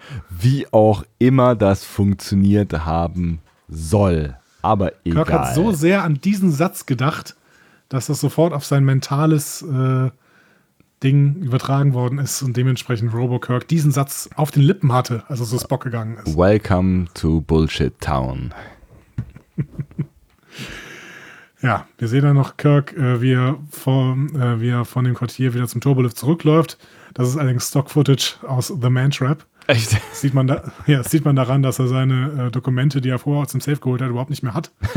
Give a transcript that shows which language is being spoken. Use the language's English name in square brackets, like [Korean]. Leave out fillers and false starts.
[German] Wie auch immer das funktioniert haben soll, aber egal. Kirk hat so sehr an diesen Satz gedacht, dass das sofort auf sein mentales Ding übertragen worden ist und dementsprechend Robo-Kirk diesen Satz auf den Lippen hatte, als er so Spock gegangen ist. [English] Welcome to Bullshit Town. [German] Ja, wir sehen dann noch Kirk, wie er von dem Quartier wieder zum Turbolift zurückläuft. Das ist allerdings Stock-Footage aus The Mantrap. Echt? Sieht man daran, dass er seine Dokumente, die er vorher aus dem Safe geholt hat, überhaupt nicht mehr hat.